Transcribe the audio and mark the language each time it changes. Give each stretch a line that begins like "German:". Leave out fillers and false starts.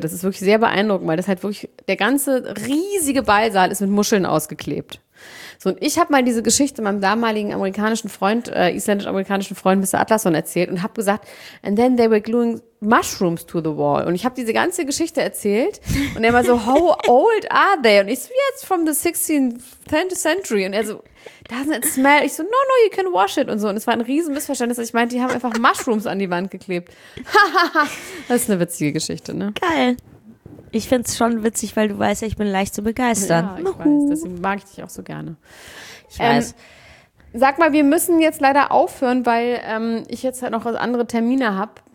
German: Das ist wirklich sehr beeindruckend, weil das halt wirklich, der ganze riesige Ballsaal ist mit Muscheln ausgeklebt. So, und ich habe mal diese Geschichte meinem damaligen amerikanischen Freund, isländisch-amerikanischen Freund Mr.
English: Atlasson
German: erzählt und habe gesagt,
English: and then they were gluing mushrooms to the wall.
German: Und ich habe diese ganze Geschichte erzählt und er war so,
English: how old are they?
German: Und ich so,
English: yeah, it's from the 16th century.
German: Und er so,
English: doesn't it smell?
German: Ich so,
English: no, no, you can wash it
German: und so. Und es war ein riesen Missverständnis. Ich meinte, die haben einfach Mushrooms an die Wand geklebt. Das ist eine witzige Geschichte, ne? Geil. Ich finde es schon witzig, weil du weißt ja, ich bin leicht zu begeistern. Ja, ich weiß, deswegen mag ich dich auch so gerne. Ich weiß. Sag mal, wir müssen jetzt leider aufhören, weil ich jetzt halt noch andere Termine habe.